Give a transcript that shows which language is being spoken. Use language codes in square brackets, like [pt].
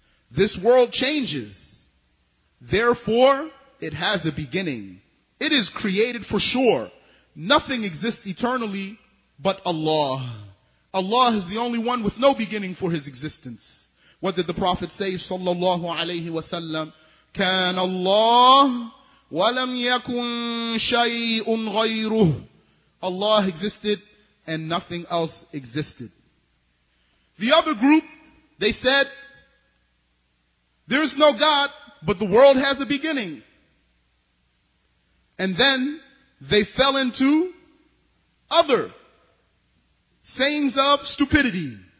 [en] This world changes. Therefore, it has a beginning. It is created for sure. Nothing exists eternally but Allah. Allah is the only one with no beginning for his existence. What did the Prophet say? [ar] Sallallahu alayhi wa sallam. كان الله ولم يكن شيء غيره. [en] Allah existed and nothing else existed. The other group, they said, there is no God, but the world has a beginning. And then they fell into other sayings of stupidity.